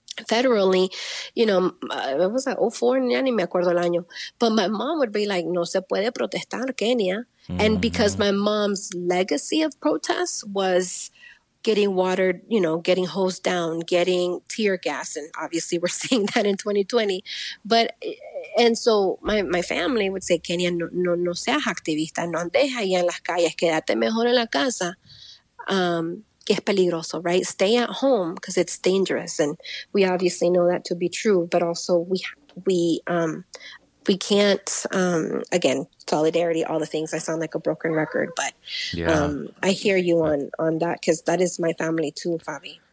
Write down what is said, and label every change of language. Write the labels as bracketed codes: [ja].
[en] Federally, you know, it was like 04, [es] ya ni me acuerdo el año. [en] But my mom would be like, [es] no se puede protestar [en] Kenia. Mm-hmm. And because my mom's legacy of protests was getting watered, you know, getting hosed down, getting tear gas. And obviously we're seeing that in 2020. But, and so my family would say, [es] Kenia, no seas activista, no andes ahí en las calles, quédate mejor en la casa. Que es peligroso, [en] right? Stay at home because it's dangerous, and we obviously know that to be true. But also, we can't again, solidarity, all the things. I sound like a broken record, but yeah. I hear you on that because that is my family too, Fabi.